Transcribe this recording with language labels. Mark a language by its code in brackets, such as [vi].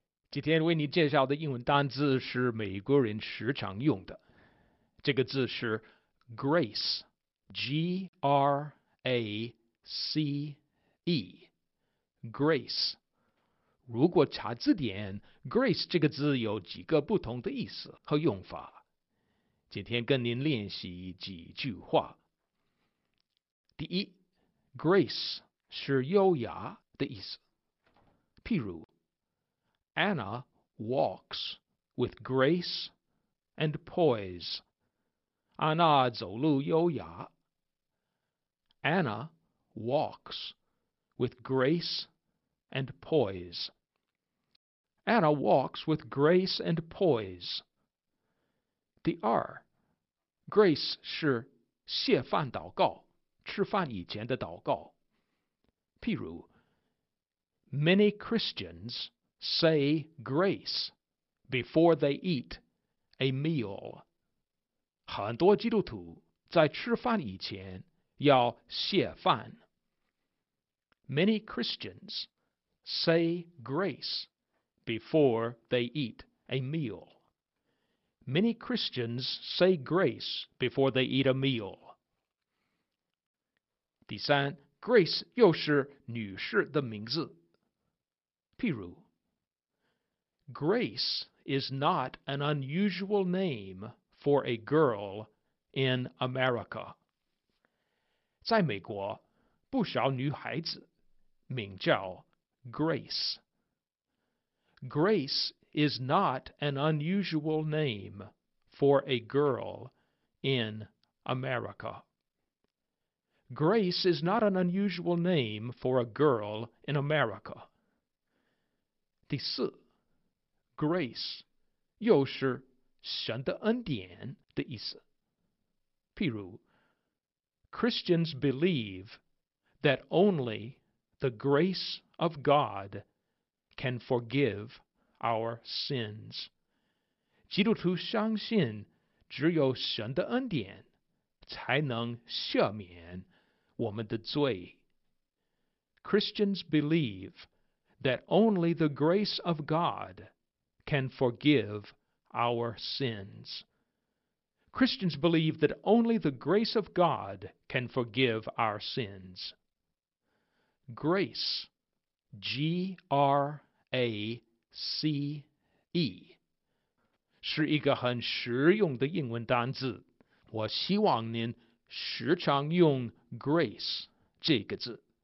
[zh] 今天为你介绍的英文单字是美国人时常用的，这个字是 grace， G-R-A-C-E， grace。如果查字典， grace 这个字有几个不同的意思和用法，今天跟您练习几句话。第一， grace 是优雅的意思，譬如 [en] Anna walks with grace and poise. Anna [zh] 走路优雅。 [en] Anna walks with grace and poise. Anna walks with grace and poise. [zh] 第二， grace 是谢饭祷告，吃饭以前的祷告。譬如， [en] many Christians say grace before they eat a meal. [zh] 很多基督徒在吃饭以前要谢饭。 [en] Many Christians say grace before they eat a meal. Many Christians say grace before they eat a meal. [zh] 第三， grace 又是女士的名字，譬如 [en] Grace is not an unusual name for a girl in America. [zh] 在美国，不少女孩子名叫 Grace. [en] Grace is not an unusual name for a girl in America. Grace is not an unusual name for a girl in America. [zh] 第四，Grace 又是神的恩典的意思，譬如 [en] Christians believe that only the grace of God can forgive our sins. [zh] 基督徒相信只有神的恩典才能赦免我们的罪。 [en] Christians believe that only the grace of Godcan forgive our sins. Christians believe that only the grace of God can forgive our sins. [zh] Grace, G-R-A-C-E, 是一个很实用的英文单字。我希望您时常用 grace 这个字。